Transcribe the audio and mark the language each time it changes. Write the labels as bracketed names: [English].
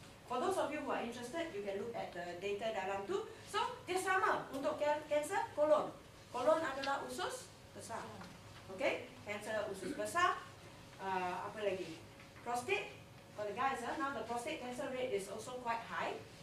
[English] For those of you who are interested, you can look at the data [Malay] dalam tu. So, dia sama untuk kanser kolon. Kolon adalah usus besar. Okay? Kanser usus besar. Apa lagi? Prostate. [English] For the guys, now the prostate cancer rate is also quite high.